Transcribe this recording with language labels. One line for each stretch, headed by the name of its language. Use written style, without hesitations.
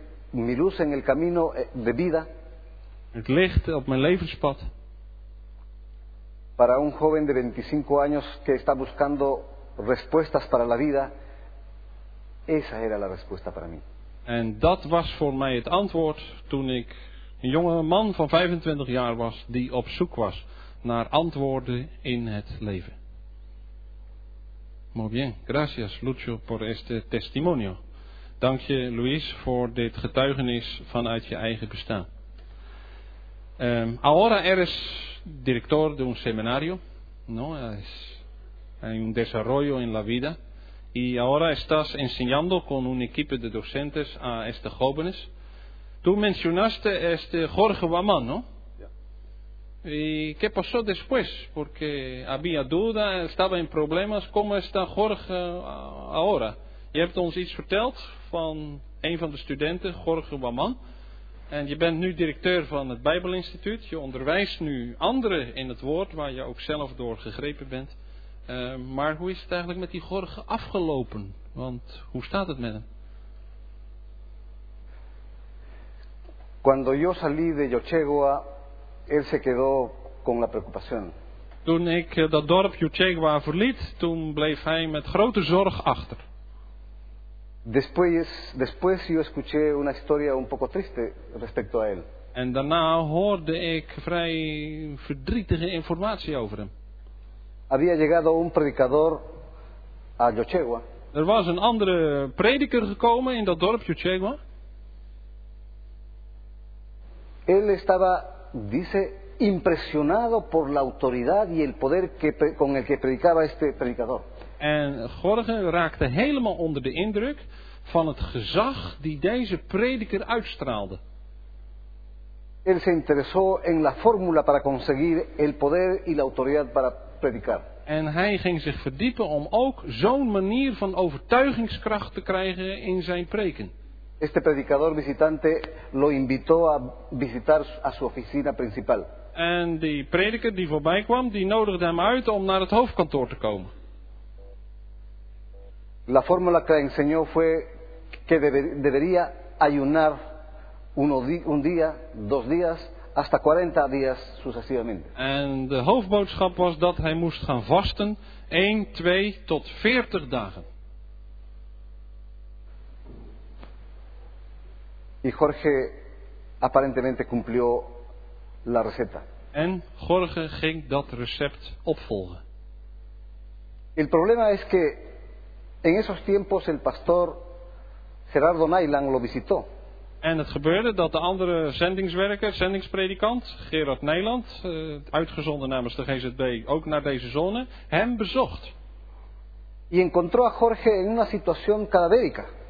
Spanish: Mi luz en el camino de vida.
Dutch: Het licht op mijn levenspad.
Spanish: Para un joven de 25 años que está buscando respuestas para la vida, esa era la respuesta para mí.
Dutch: En dat was voor mij het antwoord toen ik een jonge man van 25 jaar was die op zoek was naar antwoorden in het leven.
Spanish: Muy bien, gracias Lucio por este testimonio.
Dutch: Dank je, Luis, voor dit getuigenis vanuit je eigen bestaan.
Spanish: Ahora eres director de un seminario, ¿no? Hay un desarrollo en la vida. Y ahora estás enseñando con un equipo de docentes a este jóvenes. Tú mencionaste este Jorge Guamán, ¿no?
Dutch: Ja.
Spanish: ¿Y qué pasó después? Porque había duda, estaba en problemas. ¿Cómo está Jorge ahora?
Dutch: Je hebt ons iets verteld van een van de studenten, Jorge Waman. En je bent nu directeur van het Bijbelinstituut. Je onderwijst nu anderen in het woord, waar je ook zelf door gegrepen bent. Maar hoe is het eigenlijk met die Jorge afgelopen? Want hoe staat het met hem?
Spanish: Cuando yo salí de Yochegua, él se quedó con la preocupación.
Dutch: Toen ik dat dorp Yochegua verliet, toen bleef hij met grote zorg achter.
Spanish: Después yo escuché una historia un poco triste respecto a él.
Dutch: En daarna hoorde ik vrij verdrietige informatie over hem.
Spanish: Había llegado un predicador a Yochegua.
Dutch: Er was een andere prediker gekomen in dat dorp Yochegua.
Spanish: Él estaba, dice, impresionado por la autoridad y el poder que con el que predicaba este predicador.
Dutch: En Jorge raakte helemaal onder de indruk van het gezag die deze prediker uitstraalde.
Spanish: Él se interesó en la fórmula para conseguir el poder y la autoridad para predicar.
Dutch: En hij ging zich verdiepen om ook zo'n manier van overtuigingskracht te krijgen in zijn preken.
Spanish: Este predicador visitante lo invitó a visitar a su oficina principal.
Dutch: En die prediker die voorbij kwam, die nodigde hem uit om naar het hoofdkantoor te komen.
Spanish: La fórmula que enseñó fue que debería ayunar un día, dos días, hasta 40 días sucesivamente.
Dutch: En de hoofdboodschap was dat hij moest gaan vasten 1, 2 tot 40 dagen.
Spanish: Y Jorge aparentemente cumplió la receta.
Dutch: En Jorge ging dat recept opvolgen.
Spanish: El problema es que en esos tiempos el pastor Gerardo Nailang lo visitó.
Dutch: En het gebeurde dat de andere zendingswerker, zendingspredikant Gerard Nailand, uitgezonden namens de GZB ook naar deze zone, hem bezocht.
Spanish: Y encontró a Jorge en una situación cadavérica.